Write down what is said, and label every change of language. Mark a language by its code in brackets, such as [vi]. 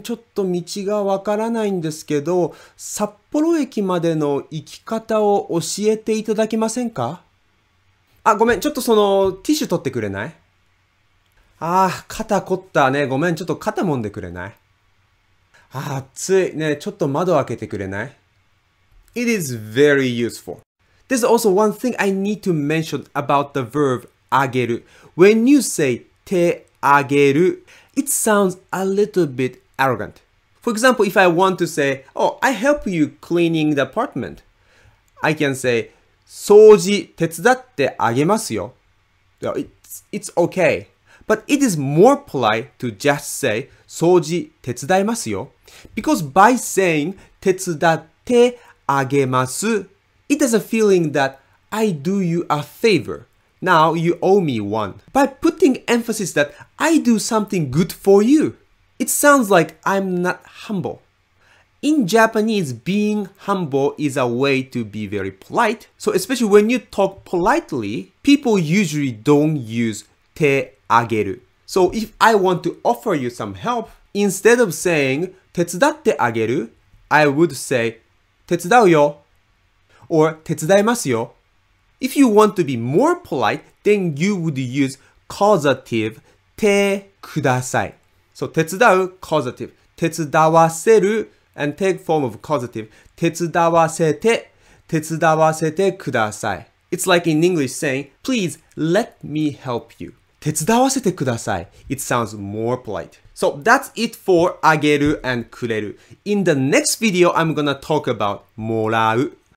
[ja] ちょっと道がわからないんですけど、札幌駅までの行き方を教えていただけませんか? ごめん。ちょっとそのティッシュ取ってくれない? 肩凝ったね。ごめん。ちょっと肩揉んでくれない? 暑い。ね、ちょっと窓開けてくれない? [en] It is very useful. There's also one thing I need to mention about the verb あげる. When you say 手あげるIt sounds a little bit arrogant. For example, if I want to say, oh, I help you cleaning the apartment, I can say, [ja] 掃除手伝ってあげますよ。 [en] It's okay. But it is more polite to just say, [ja] 掃除手伝いますよ。 [en] Because by saying, 手伝ってあげます, it has a feeling that I do you a favor. Now you owe me one. By putting emphasis that I do something good for you. It sounds like I'm not humble. In Japanese, being humble is a way to be very polite. So especially when you talk politely, people usually don't use 手あげる. So if I want to offer you some help, instead of saying 手伝ってあげる, I would say 手伝うよ or 手伝いますよ. If you want to be more polite, then you would use causative 手ください. So 手伝う, causative. 手伝わせる, and take form of causative. [ja] 手伝わせて, 手伝わせてください. [en] It's like in English saying, please let me help you. [ja] 手伝わせてください。 [en] It sounds more polite. So that's it for あげるand くれる. In the next video, I'm gonna talk about もらう.